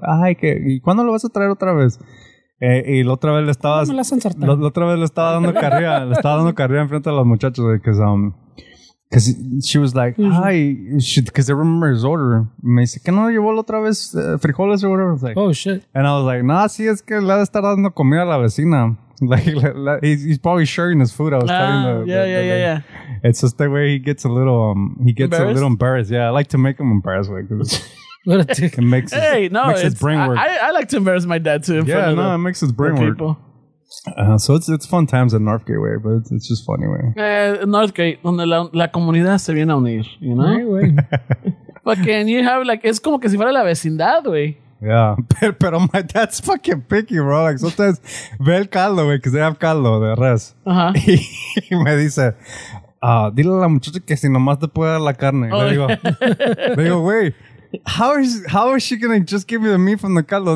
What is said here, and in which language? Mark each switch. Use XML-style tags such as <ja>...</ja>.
<es>Ay, que, ¿y cuándo lo vas a traer otra vez? Y la otra vez le estaba dando carrera enfrente de los muchachos,</es> <en>because she was like, hi, because they remember his order.</en> <es>Me dice, ¿qué no llevó la otra vez frijoles or whatever?</es> <en>Like, oh shit. And I was like, nah,</en> <es>sí, es que le ha de estar dando comida a la vecina.</es> <en>Like, he's probably sharing his food. I was telling the yeah. It's just the way he gets a little embarrassed. Yeah, I like to make him embarrassed, like, because. What a dick. It makes his, hey, no, makes his brain work. I like to embarrass my dad too. It makes his brain work. So it's fun times at Northgate, way, but it's just funny, way.</en> <es>Northgate, donde la comunidad se viene a unir,</es> <en>you know? But can you have, like, it's</en> <es>como que si fuera la vecindad,</es> <en>way. Yeah, pero my dad's fucking picky, bro. Like, sometimes</en> <es>ve el caldo,</es> <en>way, because they have caldo de res. Uh-huh.</en> <es>Y me dice, dile a la muchacha que si nomás te puede dar la carne. Oh, le digo, le digo, güey,</es> <en>how is she going to just give you the meat from the caldo?</en>